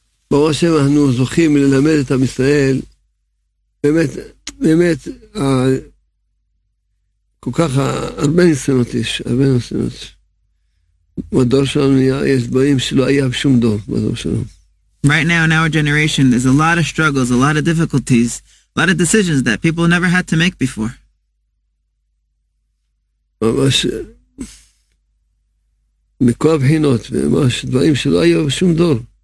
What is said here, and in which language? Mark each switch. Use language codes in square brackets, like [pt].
[he] ברוך השם אנחנו זוכים ללמד את עם ישראל באמת, באמת כל כך הרבה ניסיונות יש, הרבה ניסיונות בדור שלנו יש דברים שלא היה בשום דור בדור שלנו. [en] Right now in our generation there's a lot of struggles, a lot of difficulties, a lot of decisions that people never had to make before. [he] ממש מכל הבחינות, ממש דברים שלא היה בשום דור.